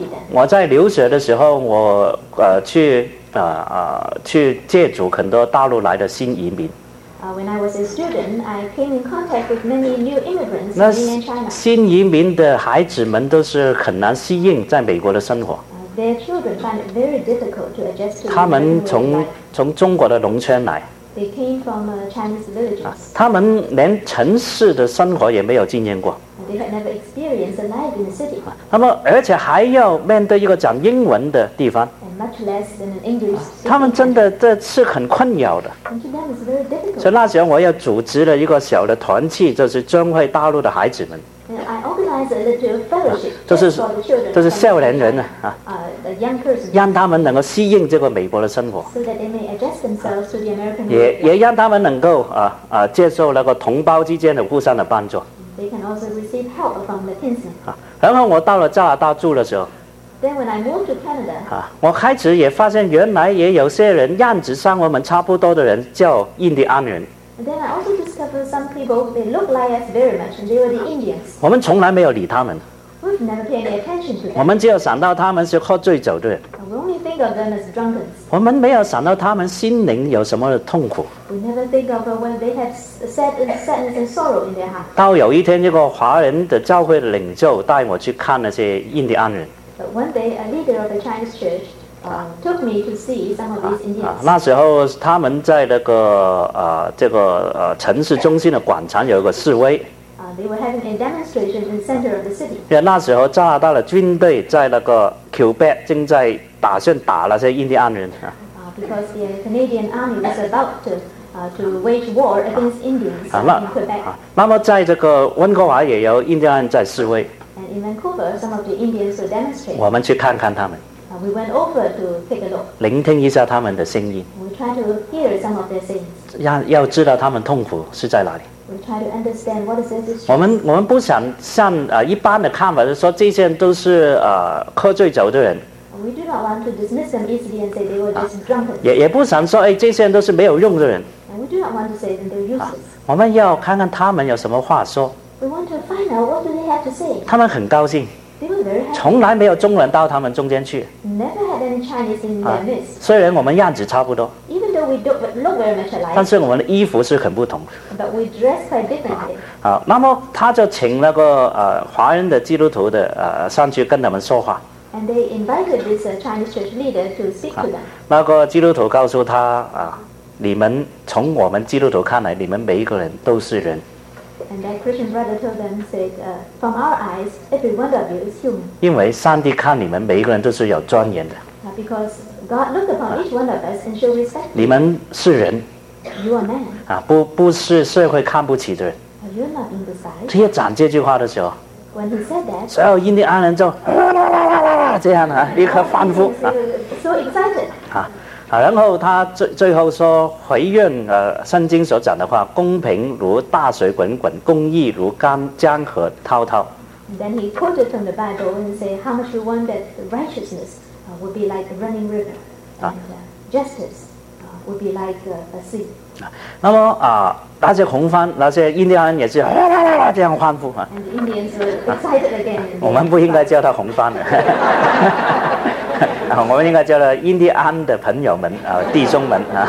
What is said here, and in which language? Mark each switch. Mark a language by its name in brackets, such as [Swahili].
[Chinese] 我在留学的时候，我去接触很多大陆来的新移民。 [English] When I was a student, I came in contact with many new immigrants in mainland China. [Chinese] 新移民的孩子们都是很难适应在美国的生活。 [English] Their children find it very difficult to adjust to. [Chinese] 他们从中国的农村来。 [English] They came from Chinese villages. [Chinese] 他们连城市的生活也没有经验过。 [English] They had never experienced a life in the city. [Chinese] 那么，而且还要面对一个讲英文的地方。 [English] Much less than an English. [Chinese] 他们真的这是很困扰的。所以那时候我又组织了一个小的团契，就是专为大陆的孩子们。 [English] I organized a little fellowship for the children. [Chinese] 就是少年人啊。 [English] A young person. [Chinese] 让他们能够适应这个美国的生活。 [English] So that they may adjust themselves to the American. [Chinese] 也让他们能够接受那个同胞之间的互相的帮助。 [English] And they can also receive help from the kinsmen. [Chinese] 然后我到了加拿大住的时候 [English] ，Then when I moved to Canada， [Chinese] 我开始也发现原来也有些人样子像我们差不多的人叫印第安人。 [English] And then I also discovered some people they look like us very much, and they were the Indians. [Chinese] 我们从来没有理他们。 [English] We've never paid any attention to them. [Chinese] 我们只有想到他们是喝醉酒的人。 [English] We only think of them as drunkards. [Chinese] 我们没有想到他们心灵有什么痛苦。 [English] We never think of when they have sadness and sorrow in their heart. [Chinese] 到有一天，一个华人的教会的领袖带我去看那些印第安人。 [English] But one day, a leader of the Chinese church took me to see some of these Indians. [Chinese] 那时候他们在那个城市中心的广场有一个示威。 [English] They were having a demonstration in the center of the city. [Chinese] 那时候加拿大的军队在那个 Quebec 正在打算打那些印第安人。 [English] Because the Canadian army was about to wage war against Indians in Quebec. [Chinese] 那么在这个温哥华也有印第安人在示威。 [English] And in Vancouver, some of the Indians were demonstrating. [Chinese] 我们去看看他们。 [English] We went over to take a look. [Chinese] 聆听一下他们的声音。 [English] We tried to hear some of their sayings. [Chinese] 要知道他们痛苦是在哪里。 [English] We try to understand what is their distress. [Chinese] 我们不想像一般的看法，就是说这些人都是喝醉酒的人。 [English] We do not want to dismiss them easily and say they were just drunkards. [Chinese] 也不想说这些人都是没有用的人。 [English] And we do not want to say that they're useless. [Chinese] 我们要看看他们有什么话说。 [English] We want to find out what do they have to say. [Chinese] 他们很高兴。 [English] They were very happy. [Chinese] 从来没有中国人到他们中间去。 [English] Never had any Chinese in their midst. [Chinese] 虽然我们样子差不多。 [English] Even though we don't look very much alike. [Chinese] 但是我们的衣服是很不同。 [English] But we dress quite differently. [Chinese] 那么他就请那个华人的基督徒的上去跟他们说话。 [English] And they invited this Chinese church leader to speak to them. [Chinese] 那个基督徒告诉他你们从我们基督徒看来，你们每一个人都是人。 [English] And that Christian brother told them, said, from our eyes, every one of you is human. [Chinese] 因为上帝看你们每一个人都是有尊严的。 [English] Because God looked upon each one of us and showed respect. [Chinese] 你们是人。 [English] You are man. [Chinese] 不是社会看不起的人。 [English] You're not in the sight. [Chinese] 这些讲这句话的时候。 [English] When he said that. [Chinese] 所有印第安人就啦啦啦啦啦这样立刻欢呼。 [English] So excited. [Chinese] 然后他最后说回愿圣经所讲的话，公平如大水滚滚，公义如江河滔滔。 [English] And then he quoted from the Bible and said, how much we want that righteousness would be like a running river, and justice would be like a sea. [Chinese] 那么那些洪欢，那些印第安人也是哗啦啦啦这样欢呼。 [English] And the Indians were excited again. [Chinese] 我们不应该叫他洪欢的。我们应该叫他印第安的朋友们弟兄们